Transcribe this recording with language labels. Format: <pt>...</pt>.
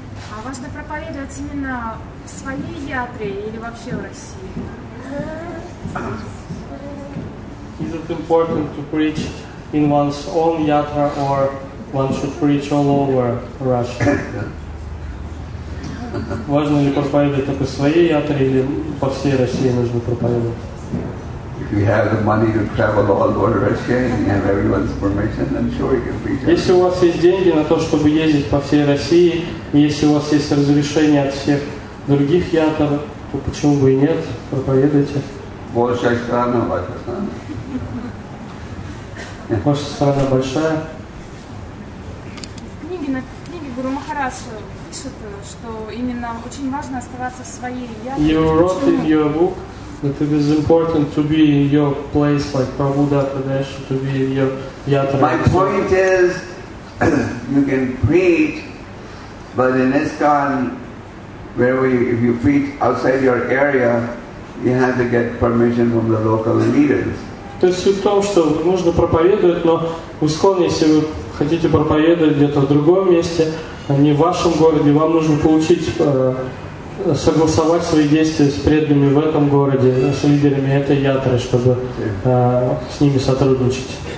<ru>А важно проповедовать именно в своей ядре или вообще в России?</ru> <en>Is it important to preach in one's own yatra or one should preach all over Russia?</en> <ru>Важно ли проповедовать только в своей ятре или по всей России нужно проповедовать?</ru> <en>If you have the money to travel all over Russia and you have everyone's permission, I'm sure you can preach.</en> <ru>Если у вас есть деньги на то, чтобы ездить по всей России, если у вас есть разрешение от всех других ятр, то почему бы и нет, проповедуйте. Большая страна, ваша страна. Ваша страна большая. Книги Гуру Махараши.</ru> <en>You wrote in your book that it is important to be in your place, like Prabhupada Pradesh, to be in your yatra. My point is, you can preach, but in ISKCON, where we, if you preach outside your area, you have to get permission from the local leaders.</en> <ru>То есть в том, что нужно проповедовать, но в ISKCON, если вы хотите проповедовать где-то в другом месте. Не в вашем городе, вам нужно получить, согласовать свои действия с преданными в этом городе, с лидерами этой ятры, чтобы с ними сотрудничать.</ru>